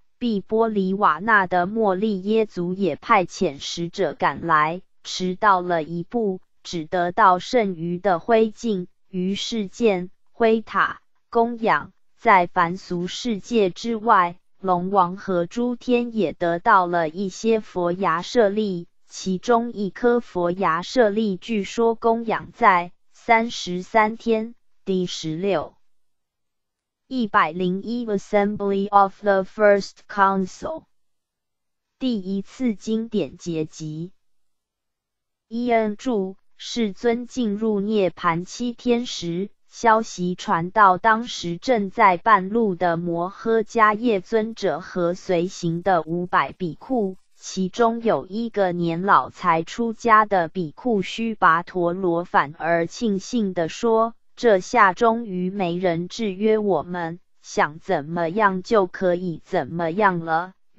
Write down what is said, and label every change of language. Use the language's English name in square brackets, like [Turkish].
[Chinese] 毕波里瓦那的莫利耶族也派遣使者赶来，迟到了一步，只得到剩余的灰烬，于是建灰塔供养。在凡俗世界之外，龙王和诸天也得到了一些佛牙舍利，其中一颗佛牙舍利据说供养在33天。 [English] 第16 101 Assembly of the First Council [Chinese] 第一次经典结集。伊恩注：世尊进入涅槃七天时，消息传到当时正在半路的摩诃迦叶尊者和随行的500比丘，其中有一个年老才出家的比库须跋陀罗反而庆幸地说，这下终于没人制约我们，想怎么样就可以怎么样了。